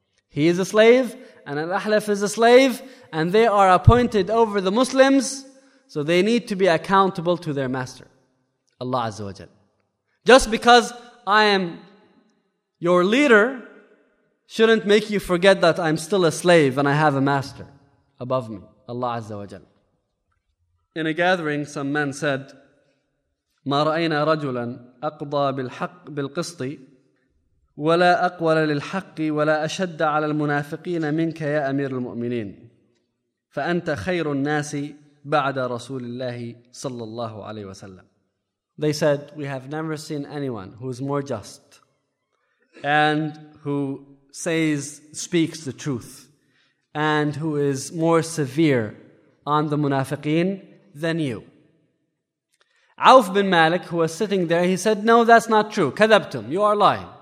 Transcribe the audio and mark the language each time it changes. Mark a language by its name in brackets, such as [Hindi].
[English] He is a slave, and Al-Ahlaf is a slave, and they are appointed over the Muslims, so they need to be accountable to their master, Allah Azza wa Jal. Just because I am your leader shouldn't make you forget that I'm still a slave and I have a master above me, Allah Azza wa Jal. In a gathering, some men said, [Arabic] مَا رَأَيْنَا رَجُلًا أَقْضَى بِالْحَقِّ بِالْقِسْطِ وَلَا أَقْوَلَ لِلْحَقِّ وَلَا أَشَدَّ عَلَى الْمُنَافِقِينَ مِنْكَ يَا أَمِيرُ الْمُؤْمِنِينَ فَأَنْتَ خَيْرُ النَّاسِ بَعْدَ رَسُولِ اللَّهِ صَلَّى اللَّهُ عَلَيْهِ وَسَلَّمَ. [English] They said, we have never seen anyone who is more just and who speaks the truth and who is more severe on the munafiqeen than you. Auf bin Malik, who was sitting there, he said, no, that's not true. Kadabtum, you are lying.